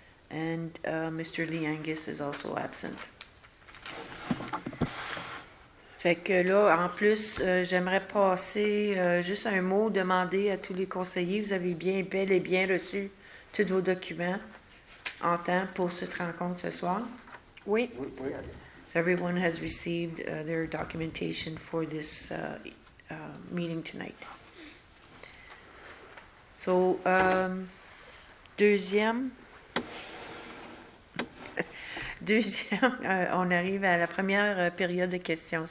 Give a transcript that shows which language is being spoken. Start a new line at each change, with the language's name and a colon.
English: And Mr. Lee Angus is also absent.
French: Fait que là, en plus, j'aimerais passer juste un mot, demander à tous les conseillers, vous avez bien, bel et bien reçu tous vos documents en temps pour cette rencontre ce soir? Oui.
English: Yes. So everyone has received their documentation for this meeting tonight. So,
French: Deuxième, on arrive à la première période de questions.